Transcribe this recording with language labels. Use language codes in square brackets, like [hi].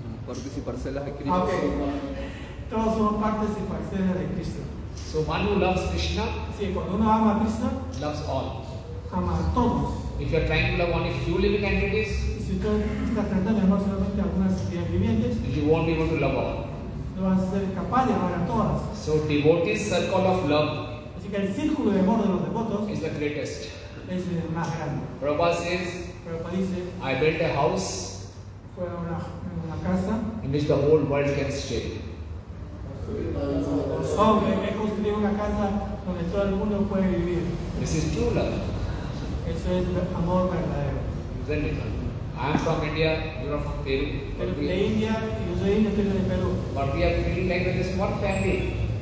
[es] Okay. Todos somos partes y parcelas de Krishna. [en] So one who loves Krishna, [es] sí, cuando uno ama a Krishna, [en] loves all. [es] Ama a todos. [en] If you are trying to love only few living entities, [es] si usted está tratando de amar solamente a algunas entidades vivientes, [en] you won't be able to love all. [es] No va a ser capaz de amar a todas. [en] So devotees' circle of love. [es] Así que el círculo de amor de los devotos [en] is the greatest. [es] Es el más grande. [en] Prabhupada says, [es] Prabhupada dice, [en] I built a house. [es] Fue una casa. [en] In which the whole world can stay. [es] He construido una casa donde todo el mundo puede vivir. [en] This is true love. [es] Eso es amor verdadero. [en] I am from India, you are from Peru. [es] De India, yo soy indio, tú eres de Perú. [en] But we are feeling like this one family.